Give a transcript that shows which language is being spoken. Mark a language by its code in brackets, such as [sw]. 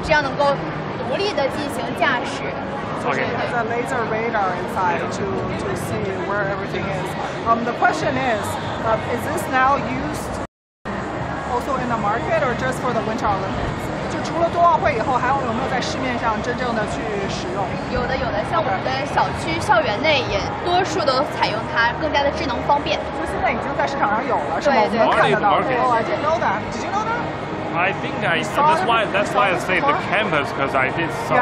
[zh] 主要里边呢是我们的激光雷达和视觉传感器，然后能够精准的定位周围的环境，这样能够独立的进行驾驶。 [en] There's a laser radar inside to see where everything is. The question is this now used also in the market or just for the Winter Olympics? [zh] 除了冬奥会以后，还有没有在市面上真正的去使用？有的，像我们的小区校园内也多数都采用它，更加的智能方变。就现在已经在市场上有了，是吗？我们看得到。 [en] Oh, I didn't know that. Did you know that? I think I. Saw, that's why I say the campus because I did saw.